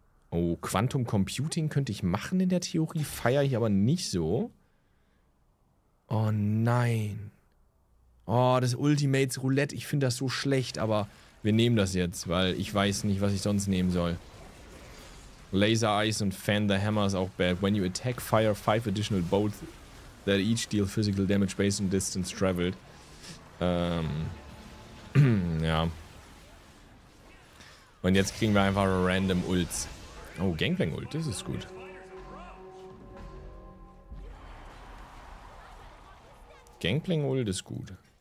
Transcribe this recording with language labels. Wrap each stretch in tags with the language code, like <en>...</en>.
<de>Oh, Quantum Computing könnte ich machen in der Theorie. Feiere ich aber nicht so. Oh nein. Oh, das Ultimates Roulette. Ich finde das so schlecht, aber wir nehmen das jetzt, weil ich weiß nicht, was ich sonst nehmen soll. Laser Eyes und Fan the Hammer ist auch bad.</de> <en>When you attack, fire 5 additional bolts that each deal physical damage based on distance traveled.</en> <de>ja. Und jetzt kriegen wir einfach random Ults. Oh, Gangplank Ult, das ist gut. Gangplank Ult ist gut.</de>